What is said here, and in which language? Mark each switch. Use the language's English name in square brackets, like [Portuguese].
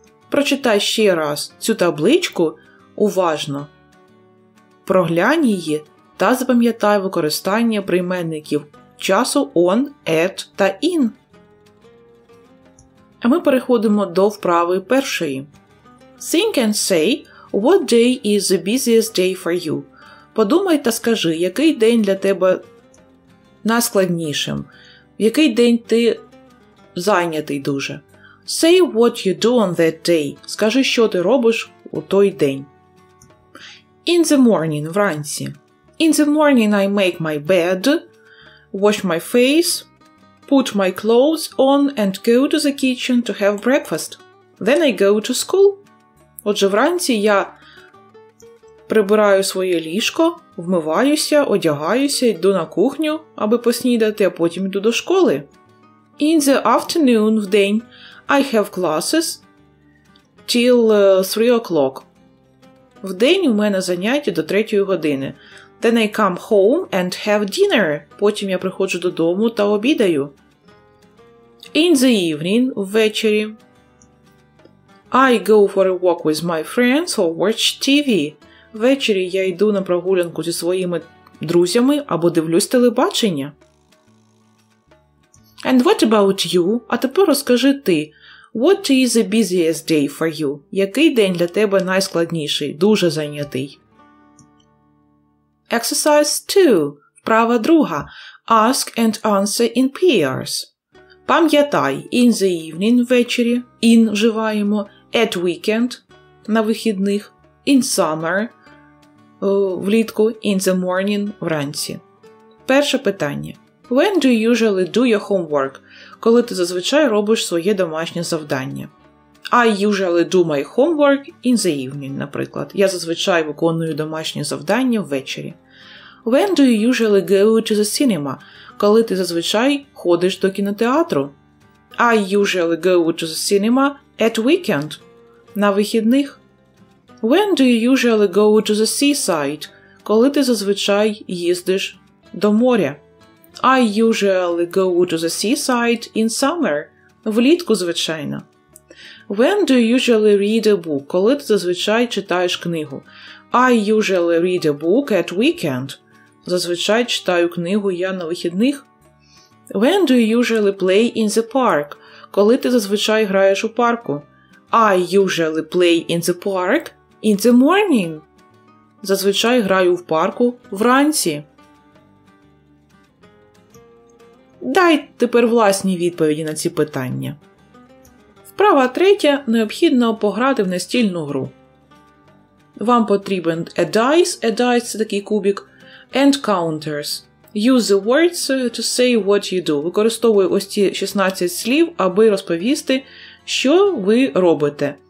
[Ukrainian] Прочитай ще раз цю табличку уважно. Проглянь її та запам'ятай використання прийменників часу «on», «at» та «in». А ми переходимо до вправи першої. [English] Think and say, what day is the busiest day for you? [Ukrainian] Подумай та скажи, який день для тебе найскладнішим, який день ти зайнятий дуже. [English] Say what you do on that day. [Ukrainian] Скажи, що ти робиш у той день. [English] In the morning, [Ukrainian] вранці. [English] In the morning I make my bed, wash my face, put my clothes on and go to the kitchen to have breakfast. Then I go to school. [Ukrainian] Отже, вранці я прибираю своє ліжко, вмиваюся, одягаюся, йду на кухню, аби поснідати, а потім йду до школи. [English] In the afternoon, [Ukrainian] вдень, [English] I have classes till 3 o'clock. [Ukrainian] Вдень у мене заняття до 3 години. [English] Then I come home and have dinner. [Ukrainian] Потім я приходжу додому та обідаю. [English] In the evening, [Ukrainian] ввечері, [English] I go for a walk with my friends or watch TV. [Ukrainian] Ввечері я йду на прогулянку зі своїми друзями або дивлюсь телебачення. [English] And what about you? [Ukrainian] А тепер розкажи ти. [English] What is the busiest day for you? [Ukrainian] Який день для тебе найскладніший, дуже зайнятий? [English] Exercise 2. [Ukrainian] Вправа друга. [English] Ask and answer in pairs. [Ukrainian] Пам'ятай, [English] in the evening, [Ukrainian] ввечері, in вживаємо, [English] at weekend, [Ukrainian] на вихідних, [English] in summer, [Ukrainian] влітку, [English] in the morning, [Ukrainian] вранці. Перше питання. [English] When do you usually do your homework? [Ukrainian] Коли ти зазвичай робиш своє домашнє завдання? [English] I usually do my homework in the evening, [Ukrainian] наприклад. Я зазвичай виконую домашнє завдання ввечері. [English] When do you usually go to the cinema? [Ukrainian] Коли ти зазвичай ходиш до кінотеатру? [English] I usually go to the cinema at weekend. [Ukrainian] На вихідних. [English] When do you usually go to the seaside? [Ukrainian] Коли ти зазвичай їздиш до моря? [English] I usually go to the seaside in summer. [Ukrainian] Влітку, звичайно. [English] When do you usually read a book? [Ukrainian] Коли ти зазвичай читаєш книгу? [English] I usually read a book at weekend. [Ukrainian] Зазвичай читаю книгу я на вихідних. [English] When do you usually play in the park? [Ukrainian] Коли ти зазвичай граєш у парку? [English] I usually play in the park in the morning. [Ukrainian] Зазвичай граю в парку вранці. Дай тепер власні відповіді на ці питання. Вправа третя – необхідно пограти в настільну гру. Вам потрібен [English] a dice [Ukrainian] – це такий кубік, [English] and counters. Use the words to say what you do. [Ukrainian] Використовую ось ці 16 слів, аби розповісти, що ви робите.